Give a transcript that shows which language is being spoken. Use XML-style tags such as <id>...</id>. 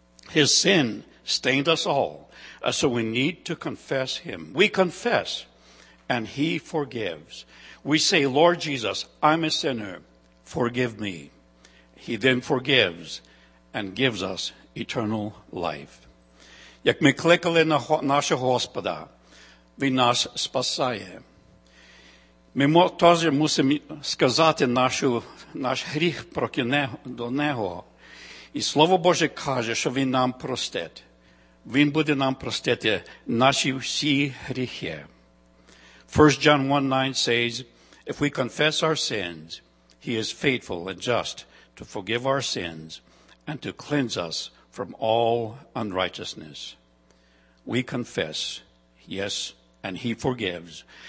<en>His sin stained us all. So we need to confess him. We confess. And he forgives. We say, Lord Jesus, I'm a sinner. Forgive me. He then forgives and gives us eternal life.</en> <uk>Як ми кликали на нашого Господа, він нас спасає. Ми теж мусимо сказати наш гріх про до нього. І Слово Боже каже, що він нам простить. Він буде нам простити наші всі гріхи.</uk> <en>1 John 1:9 says, if we confess our sins, he is faithful and just to forgive our sins and to cleanse us from all unrighteousness. We confess, yes, and he forgives.</en>